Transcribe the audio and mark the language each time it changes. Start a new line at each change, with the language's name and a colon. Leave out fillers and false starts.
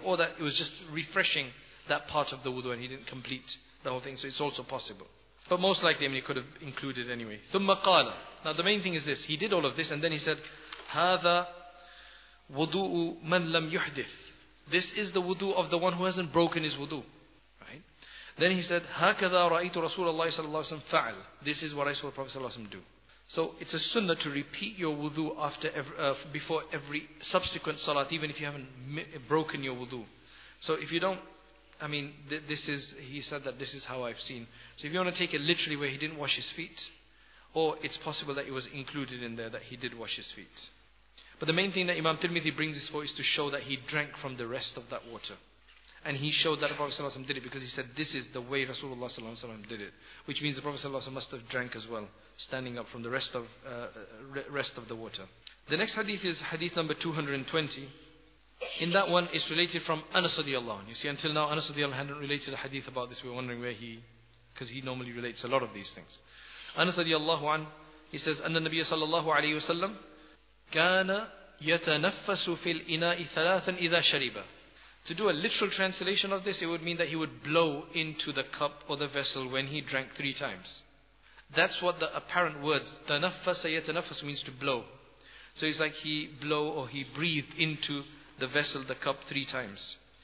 English: Or that it was just refreshing that part of the wudu, and he didn't complete the whole thing. So it's also possible. But most likely, I mean, he could have included anyway.
Arabic: ثُمَّ قَالَ.
English: Now the main thing is this. He did all of this, and then he said,
Arabic: هَذَا وُضُوءُ مَنْ لَمْ يُحْدِثُ.
English: This is the wudu of the one who hasn't broken his wudu. Right? Then he said,
Arabic: هَكَذَا رَأَيْتُ رَسُولَ اللَّهِ صَلَى اللَّهُ عَلَيْهِ وَسَلَّمَ فَعَلَ.
English: This is what I saw the Prophet ﷺ do. So it's a sunnah to repeat your wudu after before every subsequent salat, even if you haven't broken your wudu. So if you don't, I mean, he said that this is how I've seen. So if you want to take it literally where he didn't wash his feet, or it's possible that it was included in there that he did wash his feet. But the main thing that Imam Tirmidhi brings this for is to show that he drank from the rest of that water. And he showed that the Prophet ﷺ did it, because he said this is the way Rasulullah ﷺ did it. Which means the Prophet ﷺ must have drank as well, standing up from the rest of the water. The next hadith is hadith number 220. In that one, it's related from Anas radiallahu anhu. You see, until now, Anas radiallahu anhu hadn't related a hadith about this. We're wondering where he, because he normally relates a lot of these things. Anas radiallahu anhu, he says,
Arabic: أن النبي صلى الله عليه وسلم كان يتنفس في الإناء ثلاثا إذا شرب.
English: To do a literal translation of this, it would mean that he would blow into the cup or the vessel when he drank three times. That's what the apparent words,
Arabic: تنفس يتنفس,
English: means to blow. So it's like he blow or he breathed into the vessel, the cup, three times.